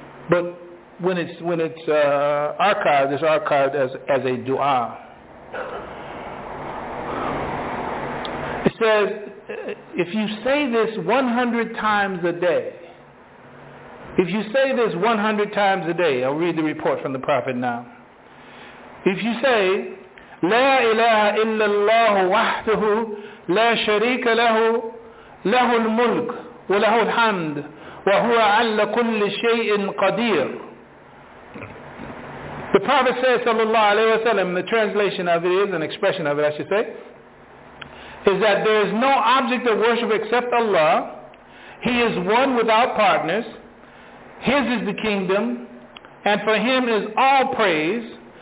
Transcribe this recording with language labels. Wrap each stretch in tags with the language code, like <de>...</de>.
<en>But when it's archived, it's archived as a dua. It says, if you say this 100 times a day, if you say this 100 times a day, I'll read the report from the Prophet now. If you say,</en> <ar>لا إله إلا الله وحده لا شريك له له الملك وله الحمد وهو على كل شيء قدير.</ar> <en>The Prophet says, sallallahu alaihi wasallam, the translation of it is, an expression of it, I should say, is that there is no object of worship except Allah. He is one without partners. His is the kingdom, and for him is all praise.</en>